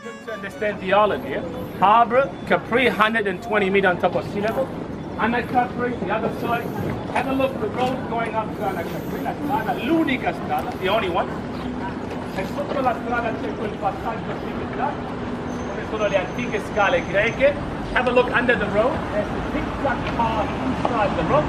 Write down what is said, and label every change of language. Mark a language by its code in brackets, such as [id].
[en] Understand the island here. Yeah? Harbour, Capri, 120 meters on top of sea level. And at Capri, the other side, have a look at the road going up to Capri, La Strada, [it] l'unica strada, [en] the only one. [it] E sotto la strada c'è quel passaggio di città, dove sono le antiche scale greche. [en] Have a look under the road, there's a big black car inside the road.